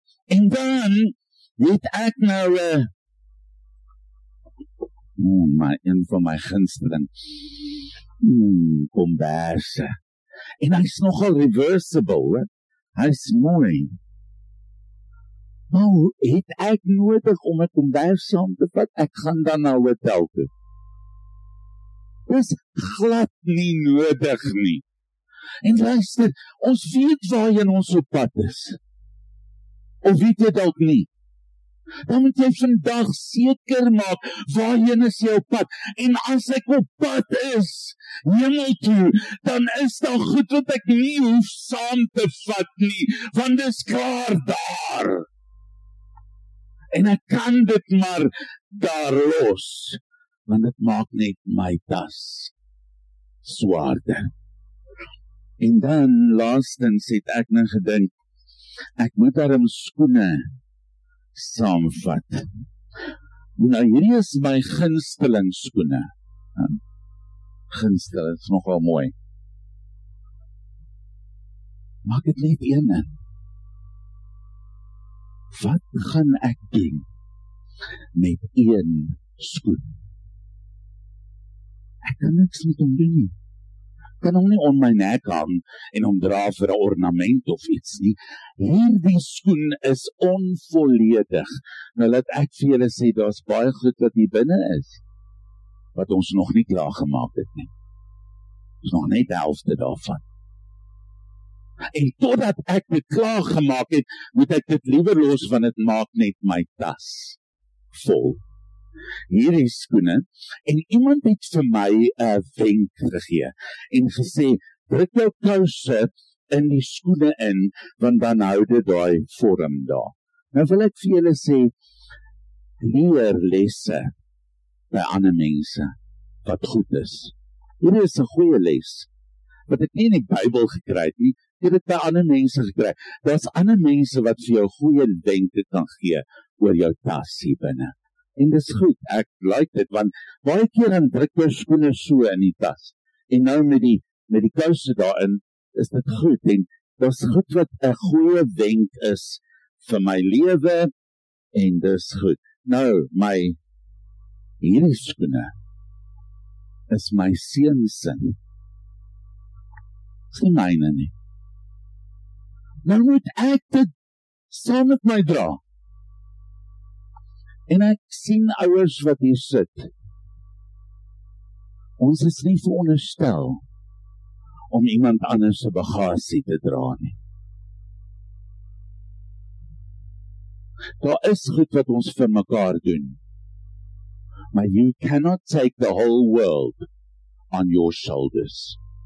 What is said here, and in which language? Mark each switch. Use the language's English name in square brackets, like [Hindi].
[Afrikaans] En dan, weet ek nou, my, een van my gunsteling, kombersen, en hy is nogal reversible, hy is mooi, nou, het ek nodig om het om daar saam te vat, ek gaan dan na hotel toe. Dis glad nie nodig nie. En luister, ons weet waar jy in ons op pad is. Of weet jy dalk nie. Dan moet jy vandag seker maak waar jy is jou pad. En as ek op pad is, jimmel toe, dan is dan goed wat ek nie hoef saam te vat nie. Want dis klaar daar. En ek kan dit maar daar los, want dit maak net my tas swaarder. En dan, laastens, het ek nou gedink, ek moet daarom skoene saamvat. Nou, hierdie is my gunsteling skoene. Gunsteling, is nogal mooi. Maak het net een in. Wat gaan ek doen met een skoen? Ek kan niks met hom doen nie. Ek kan hom nie om my nek hang en hom dra vir 'n ornament of iets nie. Hierdie skoen is onvolledig. Nou laat ek vir julle sê, daar is baie goed wat hier binne is, wat ons nog nie klaar gemaak het nie. Ons nog net die helfte daarvan. En totdat ek dit klaar gemaak het, moet ek dit liever los, want het maak net my tas vol. Hierdie skoene, en iemand het vir my een wenk gegee, en gesê, druk jou kouse in die skoene in, want dan hou dit daai vorm daar. Nou wil ek vir julle sê, leer lesse by ander mense, wat goed is. Hier is een goeie les, wat ek nie in die Bybel gekry het nie, het het by ander mense gekry. Daar is ander mense wat vir jou goeie denke kan gee oor jou tas hier binnen. En dis goed, ek like dit, want baie keer dan druk jou skoene so in die tas. En nou met die kouse daarin, is dit goed. En dis goed wat 'n goeie wenk is vir my lewe, en dis goed. Nou, my hierdie skoene is my seunsin. Dis nie myne nie. Nou moet ek dit saam met my dra. En ek sien ouers wat hier sit. Ons is nie veronderstel om iemand anders se bagasie te dra nie. Daar is goed wat ons vir mekaar doen. Maar [English] you cannot take the whole world on your shoulders.